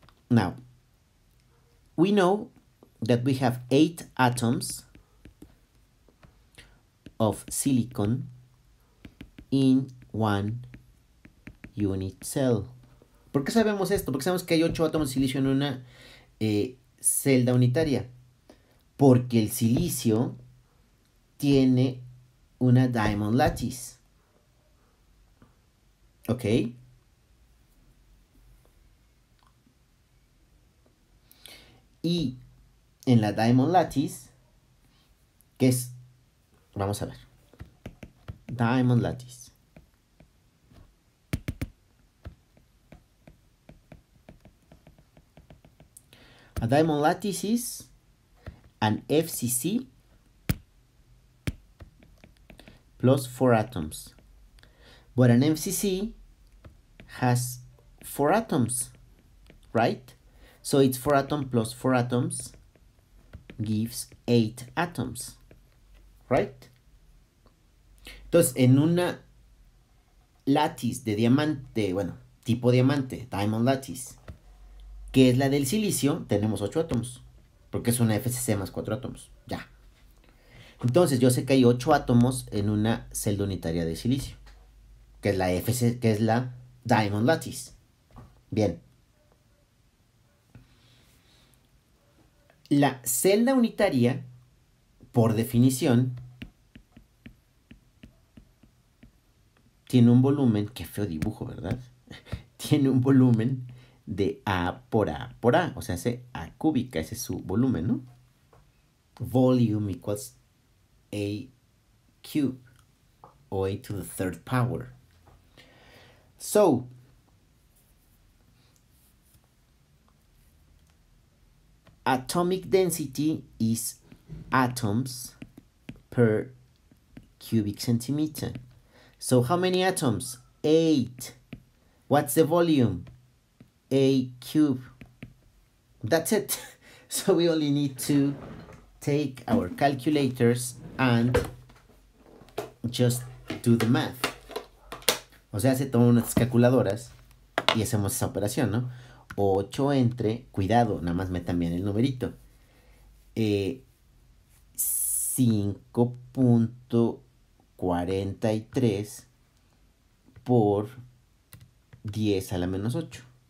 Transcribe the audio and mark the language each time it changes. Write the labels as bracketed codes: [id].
[en] Now, we know that we have 8 atoms of silicon in one unit cell. [es] ¿Por qué sabemos esto? Porque sabemos que hay 8 átomos de silicio en una celda unitaria. Porque el silicio tiene una diamond lattice. ¿Ok? Y en la diamond lattice, que es, vamos a ver, diamond lattice. [en] A diamond lattice is an FCC plus 4 atoms. But an FCC has 4 atoms, right? So it's 4 atoms plus 4 atoms gives 8 atoms, right? Entonces, en una lattice de diamante, bueno, tipo diamante, diamond lattice, que es la del silicio, tenemos 8 átomos, porque es una FCC más 4 átomos, ya. Entonces, yo sé que hay 8 átomos en una celda unitaria de silicio, que es la FCC, que es la diamond lattice. Bien. La celda unitaria, por definición, tiene un volumen, qué feo dibujo, ¿verdad? Tiene un volumen de A por A por A, o sea, hace A cúbica, ese es su volumen, ¿no? Volume equals A cube, o A to the third power. So, atomic density is atoms per cubic centimeter. So, how many atoms? 8. What's the volume? A cube. That's it. So we only need to take our calculators and just do the math. [es] O sea, se toman unas calculadoras y hacemos esa operación, ¿no? 8 entre, cuidado, nada más metan bien el numerito. 5.43 por 10 a la menos 8.